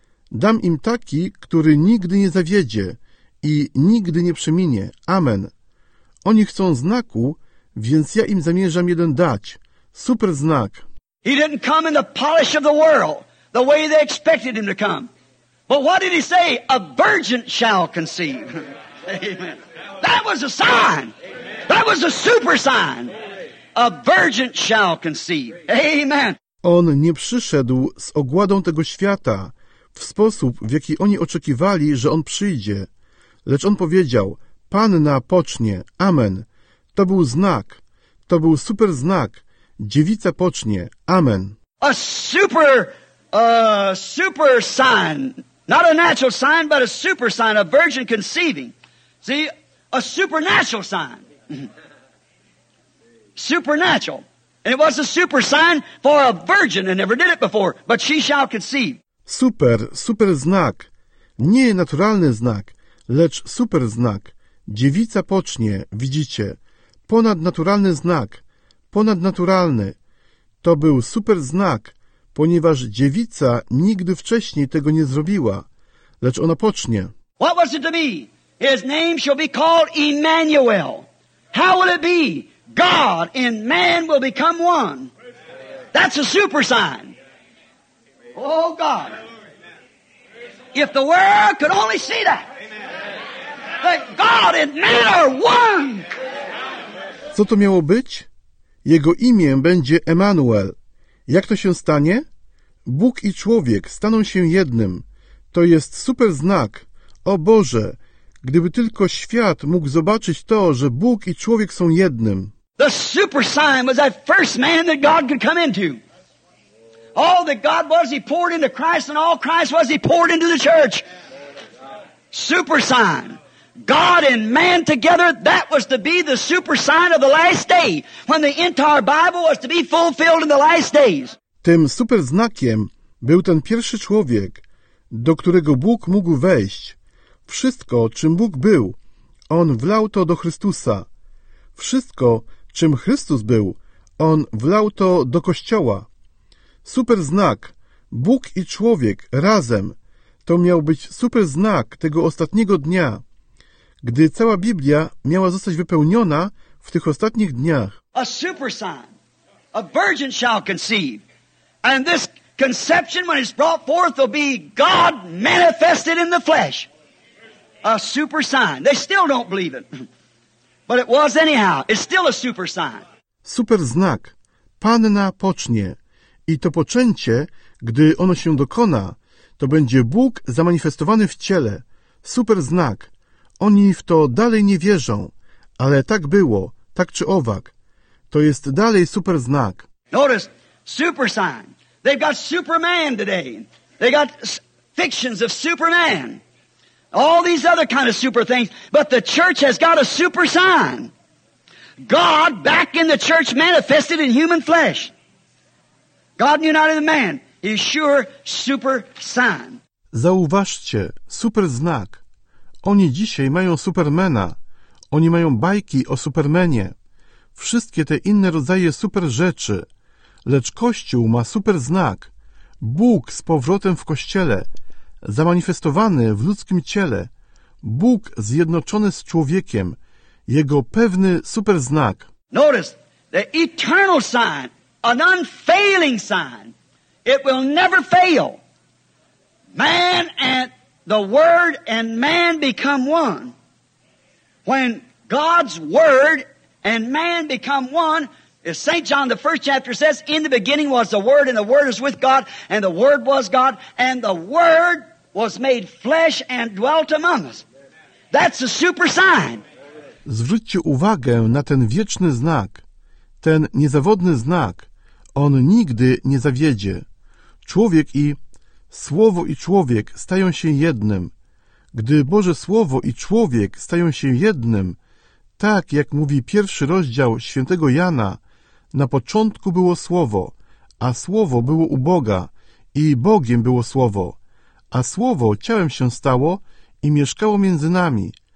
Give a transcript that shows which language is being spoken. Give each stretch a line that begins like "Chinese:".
Polish: Dam im taki, który nigdy nie zawiedzie i nigdy nie przeminie. Amen. Oni chcą znaku, więc ja im zamierzam jeden dać. Super znak.
English: He didn't come in the polish of the world, the way they expected him to come. But what did he say? A virgin shall conceive. Amen. That was a sign. That was a super sign. A virgin shall conceive. Amen.
Polish: On nie przyszedł z ogładą tego świata, w sposób, w jaki oni oczekiwali, że on przyjdzie. Lecz on powiedział, Panna pocznie. Amen. To był znak. To był super znak. Dziewica pocznie. Amen.
English: A super, super sign. Not a natural sign, but a super sign, a virgin conceiving. See, a supernatural sign. Supernatural. And it was a super sign for a virgin and never did it before, but she shall conceive.
Polish: Super, super znak. Nie naturalny znak, lecz super znak. Dziewica pocznie, widzicie. Ponadnaturalny znak. Ponadnaturalny. To był super znak, ponieważ dziewica nigdy wcześniej tego nie zrobiła. Lecz ona pocznie.
English: What was it to me? His name shall be called Emmanuel. How will it be? God and man will become one. That's a super sign. Oh God. If the world could only see that. That God and man are one.
Polish: Co to miało być? Jego imię będzie Emmanuel. Jak to się stanie? Bóg i człowiek staną się jednym. To jest super znak. O Boże, gdyby tylko świat mógł zobaczyć to, że Bóg i człowiek są jednym.
English: The super sign was that first man that God could come into. All that God was, he poured into Christ, and all Christ was, he poured into the church. Super sign. God and man together, that was to be the super sign of the last day, when the entire Bible was to be fulfilled in the last days.
Polish: Tym super znakiem był ten pierwszy człowiek, do którego Bóg mógł wejść. Wszystko, czym Bóg był, On wlał to do Chrystusa. Wszystko, czym Chrystus był, On wlał to do Kościoła. Super znak. Bóg i człowiek razem. To miał być super znak tego ostatniego dnia, gdy cała Biblia miała zostać wypełniona w tych ostatnich dniach.
English: A super sign. A virgin shall conceive. And this conception, when it's brought forth, will be God manifested in the flesh. A super sign. They still don't believe it. But it was anyhow. It's still a super sign.
Polish: Super znak. Panna pocznie. I to poczęcie, gdy ono się dokona, to będzie Bóg zamanifestowany w ciele. Super znak. Oni w to dalej nie wierzą. Ale tak było, tak czy owak. To jest dalej super znak.
English: Notice, super sign. They've got Superman today. They got fictions of Superman. All these other kind of super things. But the church has got a super sign. God back in the church manifested in human flesh. God united in man is sure super sign.
Polish: Zauważcie, super znak. Oni dzisiaj mają Supermana. Oni mają bajki o Supermanie. Wszystkie te inne rodzaje super rzeczy. Lecz Kościół ma super znak. Bóg z powrotem w Kościele, zamanifestowany w ludzkim ciele. Bóg zjednoczony z człowiekiem, jego pewny super znak.
English: Notice, the eternal sign, an unfailing sign. It will never fail. Man and the Word and man become one. When God's Word and man become one, as St. John, the first chapter, says, in the beginning was the Word, and the Word is with God, and the Word was God, and the Word was made flesh and dwelt among us. That's a super sign.
Polish: Zwróćcie uwagę na ten wieczny znak, ten niezawodny znak. On nigdy nie zawiedzie. Człowiek i Słowo i człowiek stają się jednym. Gdy Boże Słowo i człowiek stają się jednym, tak jak mówi pierwszy rozdział świętego Jana, na początku było Słowo, a Słowo było u Boga i Bogiem było Słowo, a Słowo ciałem się stało i mieszkało między nami.